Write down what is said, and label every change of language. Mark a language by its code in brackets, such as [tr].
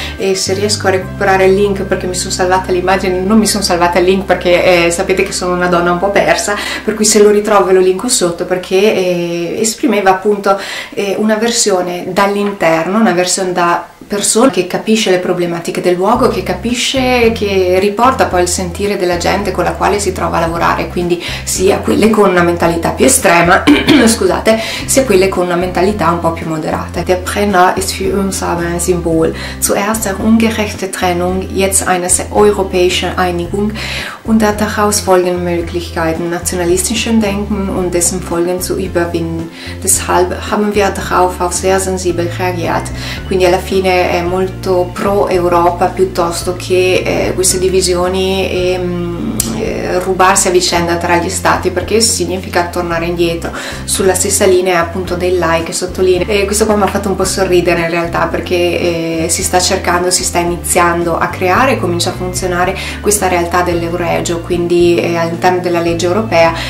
[it] E se riesco a recuperare il link, perché mi sono salvata l'immagine, non mi sono salvata il link perché sapete che sono una donna un po' persa, per cui se lo ritrovo lo linko sotto, perché esprimeva appunto una versione dall'interno, una versione da persona che capisce le problematiche del luogo, che capisce, che riporta poi il sentire della gente con la quale si trova a lavorare, quindi sia quelle con una mentalità più estrema, scusate, sia quelle con una mentalità un po' più moderata. [de] Der Brenner ist für uns aber ein Symbol. Zuerst eine ungerechte Trennung, jetzt eine europäische Einigung und daraus folgende Möglichkeiten, nationalistischen Denken und dessen Folgen zu überwinden. Deshalb haben wir darauf auch sehr sensibel reagiert. [it] Quindi alla fine è molto pro Europa piuttosto che queste divisioni e rubarsi a vicenda tra gli stati, perché significa tornare indietro sulla stessa linea, appunto, dei like, sottolinea. E questo qua mi ha fatto un po' sorridere in realtà, perché si sta iniziando a creare, comincia a funzionare questa realtà dell'Euregio, quindi all'interno della legge europea.